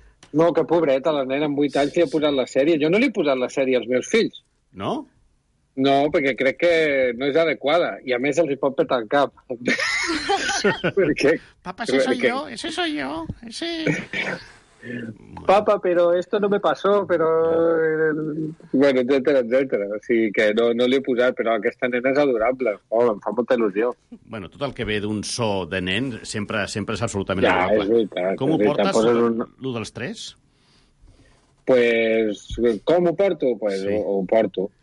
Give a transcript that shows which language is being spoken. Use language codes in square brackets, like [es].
[ca] No, que pobreta, la nena amb 8 anys li ha posat la sèrie. Jo no li he posat la sèrie als meus fills. No? No, perquè crec que no és adequada. I a més els hi pot petar el cap. Perquè... [es] Papa, ese soy yo, ese soy yo. Ese... Papa, pero esto no me pasó, pero... Bueno, etcétera, etcétera. [ca] O sigui que no li he posat, però aquesta nena és adorable. Oh, em fa molta il·lusió. Bueno, tot el que ve d'un so de nen sempre és absolutament ja, adorable. És veritat. Com ho portes, poses un... l'un dels tres? Pues, com ho porto? Pues sí. Ho porto.